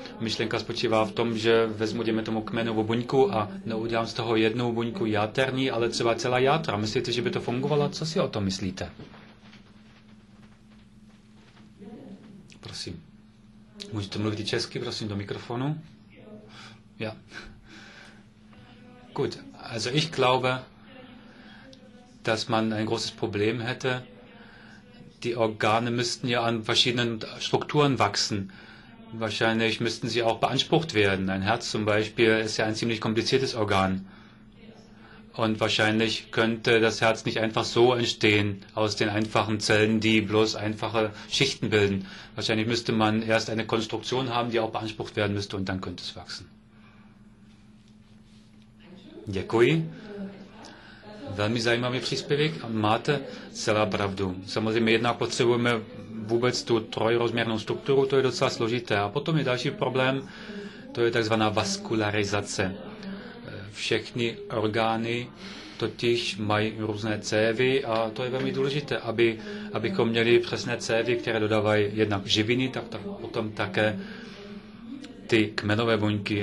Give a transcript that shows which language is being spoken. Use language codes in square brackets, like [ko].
[cs] Myšlenka spočívá v tom, že vezmu, děme tomu, kmenovou buňku a neudělám z toho jednu buňku játerní, ale třeba celá játra. Myslíte, že by to fungovalo? Co si o tom myslíte? Prosím. Můžete mluvit i česky, prosím, do mikrofonu? [de] Ja. Gut, also ich glaube, dass man ein großes Problem hätte. Die Organe müssten ja an verschiedenen Strukturen wachsen. Wahrscheinlich müssten sie auch beansprucht werden. Ein Herz zum Beispiel ist ja ein ziemlich kompliziertes Organ. Und wahrscheinlich könnte das Herz nicht einfach so entstehen aus den einfachen Zellen, die bloß einfache Schichten bilden. Wahrscheinlich müsste man erst eine Konstruktion haben, die auch beansprucht werden müsste und dann könnte es wachsen. [cs] Děkuji. Velmi zajímavý příspěvek. Máte celá pravdu. Samozřejmě jednak potřebujeme vůbec tu trojrozměrnou strukturu, to je docela složité. A potom je další problém, to je takzvaná vaskularizace. Všechny orgány totiž mají různé cévy a to je velmi důležité, abychom měli přesné cévy, které dodávají jednak živiny, tak potom také ty kmenové buňky.